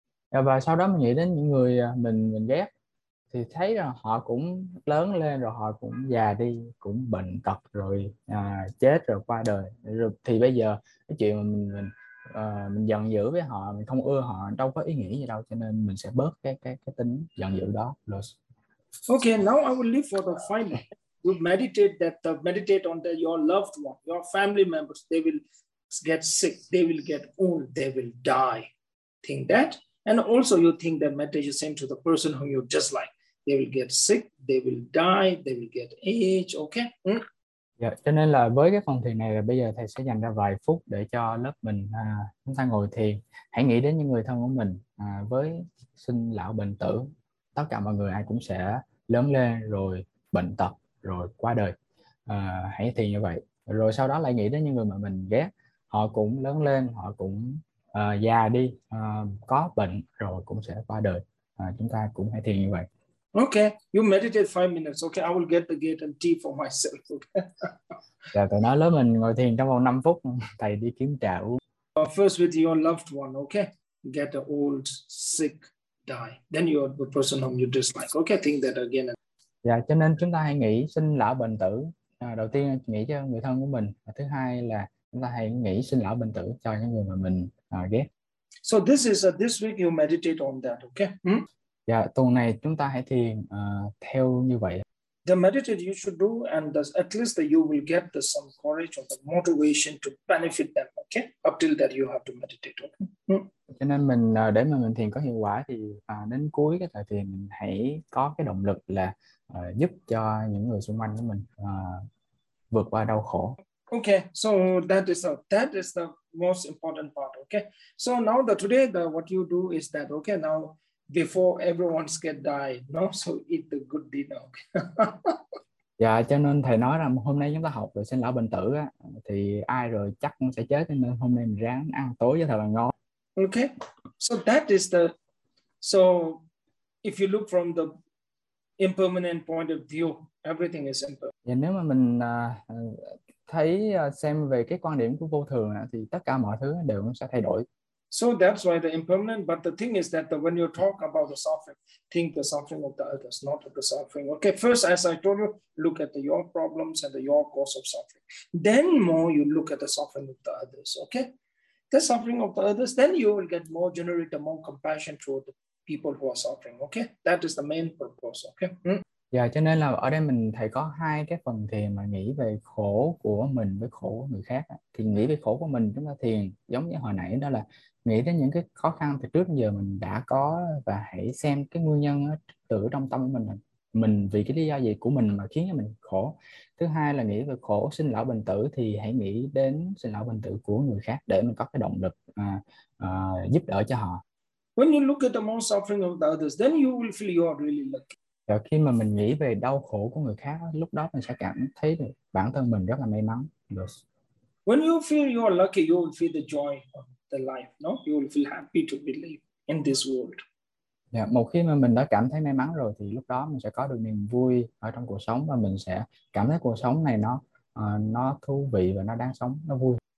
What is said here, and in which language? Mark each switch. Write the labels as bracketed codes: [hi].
[vi] Và sau đó mình nghĩ đến những người mình ghét, thì thấy là họ cũng lớn lên, rồi họ cũng già đi, cũng bệnh tật, rồi chết, rồi qua đời. Rồi thì bây giờ cái chuyện mà mình giận dữ với họ, mình không ưa họ, đâu có ý nghĩa gì đâu. Cho nên mình sẽ bớt cái tính giận dữ đó. [en] Okay, now I will leave for the final. you meditate that the meditate on the, your loved one, your family members, they will get sick, they will get old, they will die. Think that. And also you think that meditation sent to the person whom you dislike. They will get sick, they will die, they will get age. Okay. [vi] Dạ, cho nên là với cái phần thiền này là bây giờ thầy sẽ dành ra vài phút để cho lớp mình chúng ta ngồi thiền. Hãy nghĩ đến những người thân của mình với sinh lão bệnh tử. Tất cả mọi người ai cũng sẽ lớn lên rồi bệnh tật rồi qua đời. Hãy thiền như vậy. Rồi sau đó lại nghĩ đến những người mà mình ghét. Họ cũng lớn lên, họ cũng già đi, có bệnh rồi cũng sẽ qua đời. Chúng ta cũng hãy thiền như vậy. [en] Okay, you meditate 5 minutes. Okay, I will get the gate and tea for myself. [vi] Dạ, tôi nói lớp mình ngồi thiền trong vòng 5 phút, thầy đi kiếm trà uống. [en] First with your loved one, okay? Get the old, sick, die. Then you are the person whom you dislike. Okay, think that again. [vi] Dạ, cho nên chúng ta hãy nghĩ sinh lão bệnh tử. Đầu tiên nghĩ cho người thân của mình. Thứ hai là chúng ta hãy nghĩ sinh lão bệnh tử cho những người mà mình ghét. [en] So this is this week you meditate on that, okay? Hmm? [vi] Dạ, tuần này chúng ta hãy thiền theo như vậy. [en] The meditation you should do and thus at least that you will get the some courage or the motivation to benefit them, okay? Up till that you have to meditate, okay? [vi] Cho nên mình để mà mình thiền có hiệu quả thì đến cuối cái thời thiền mình hãy có cái động lực là giúp cho những người xung quanh của mình vượt qua đau khổ. [en] Okay, so that is the most important part, okay? So now today what you do is that, okay, now before everyone's get die, no? So eat the good dinner, okay? [vi] Dạ, cho nên thầy nói rằng hôm nay chúng ta học về sinh lão bệnh tử á, thì ai rồi chắc cũng sẽ chết, nên hôm nay mình ráng ăn tối cho thật là ngon. [en] Okay, so that is the, so if you look from the impermanent point of view, everything is impermanent. [vi] Dạ, nếu mà mình thấy xem về cái quan điểm của vô thường thì tất cả mọi thứ đều sẽ thay đổi. [en] So that's why the impermanent, but the thing is that when you talk about the suffering, think the suffering of the others, not of the suffering. Okay, first, as I told you, look at your problems and your cause of suffering. Then more you look at the suffering of the others, okay? The suffering of the others, then you will get more, generate more compassion toward the people who are suffering, okay? That is the main purpose, okay? [vi] Dạ, cho nên là ở đây mình thầy có hai cái phần thiền mà nghĩ về khổ của mình với khổ của người khác. Thì nghĩ về khổ của mình, chúng ta thiền giống như hồi nãy, đó là nghĩ đến những cái khó khăn từ trước giờ mình đã có và hãy xem cái nguyên nhân từ trong tâm của mình. Mình vì cái lý do gì của mình mà khiến cho mình khổ. Thứ hai là nghĩ về khổ sinh lão bệnh tử thì hãy nghĩ đến sinh lão bệnh tử của người khác để mình có cái động lực giúp đỡ cho họ. [en] When you look at the more suffering of the others, then you will feel you are really lucky. [vi] Khi mà mình nghĩ về đau khổ của người khác, lúc đó mình sẽ cảm thấy được bản thân mình rất là may mắn. [en] Yes. When you feel you are lucky, you will feel the joy of the life, no? You will feel happy to be living in this world. [vi] Yeah, một khi mà mình đã cảm thấy may mắn rồi thì lúc đó mình sẽ có được niềm vui ở trong cuộc sống và mình sẽ cảm thấy cuộc sống này nó thú vị và nó đáng sống, nó vui.